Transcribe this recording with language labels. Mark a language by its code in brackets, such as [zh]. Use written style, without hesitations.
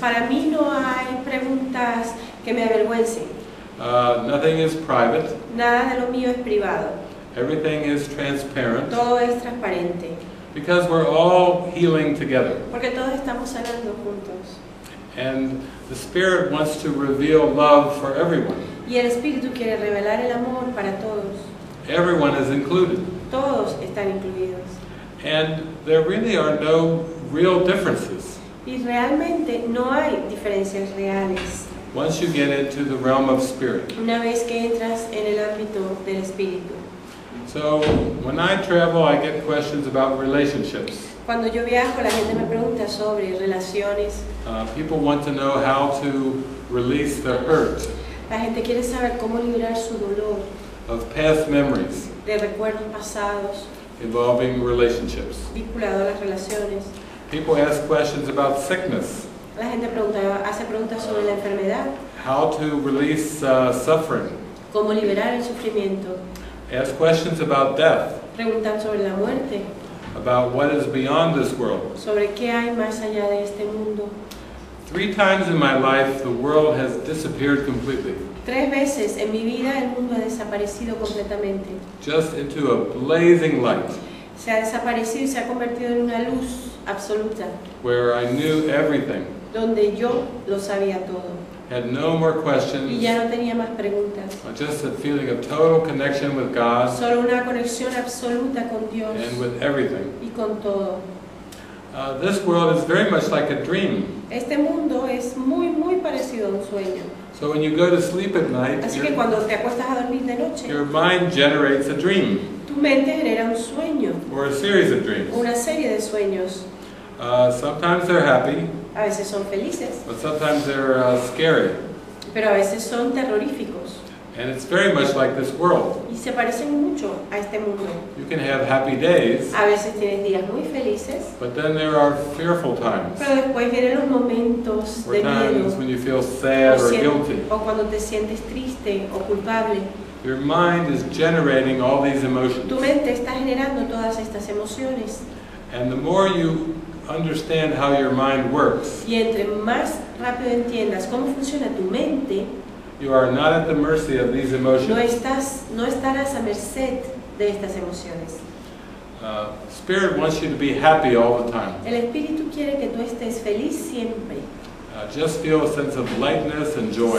[es] Para mí no hay preguntas que me avergüencen. [en] Nothing is private. [es] Nada de lo mío es privado. [en] Everything is transparent. [es] Todo es transparente. [en] Because we're all healing together. [es] Porque todos estamos sanando juntos. [en] And the Spirit wants to reveal love for everyone. [es] Y el Espíritu quiere revelar el amor para todos. [en] Everyone is included. [es] Todos están incluidos. [en] And there really are no real differences. [es] Y realmente no hay diferencias reales. [en] Once you get into the realm of Spirit. [es] Una vez que entras en el ámbito del Espíritu. [en] So, when I travel, I get questions about relationships. [es] Cuando yo viajo, la gente me pregunta sobre relaciones. [en] People want to know how to release the hurt. [es] La gente quiere saber cómo liberar su dolor. [en] Of past memories. [es] De recuerdos pasados. [en] Involving relationships. [es] Vinculado a las relaciones. [en] People ask questions about sickness. [es] La gente hace preguntas sobre la enfermedad. [en] How to release suffering. [es] Cómo liberar el sufrimiento. [en] Ask questions about death. [es] Preguntan sobre la muerte. [en] About what is beyond this world. [es] Sobre qué hay más allá de este mundo. [en] Three times in my life, the world has disappeared completely. [es] Tres veces en mi vida el mundo ha desaparecido completamente. [en] Just into a blazing light. [es] Se ha desaparecido y se ha convertido en una luz absoluta. [en] Where I knew everything. [es] Donde yo lo sabía todo. [en] Had no more questions. [es] Y ya no tenía más preguntas. [en] Just a feeling of total connection with God. [es] Solo una conexión absoluta con Dios. [en] And with everything. [es] Y con todo. [en] This world is very much like a dream. [es] Este mundo es muy, muy parecido a un sueño. [en] So when you go to sleep at night, [es] así que cuando te acuestas a dormir de noche, [en] your mind generates a dream. [es] Tu mente genera un sueño. [en] Or a series of dreams. [es] Una serie de sueños. [en] Sometimes they're happy. [es] A veces son felices. [en] But sometimes they're scary. [es] Pero a veces son terroríficos. [en] And it's very much like this world. [es] Y se parecen mucho a este mundo. [en] You can have happy days. [es] A veces tienes días muy felices. [en] But then there are fearful times. [es] Pero después vienen los momentos de miedo. [en] Or times when you feel sad or guilty. [es] O cuando te sientes triste o culpable. [en] Your mind is generating all these emotions. [es] Tu mente está generando todas estas emociones. [en] And the more you understand how your mind works. [es] Y entre más rápido entiendas cómo funciona tu mente. [en] You are not at the mercy of these emotions. [es] No estarás a merced de estas emociones. [en] Spirit wants you to be happy all the time. [es] El espíritu quiere que tú estés feliz siempre. [en] Just feel a sense of lightness and joy.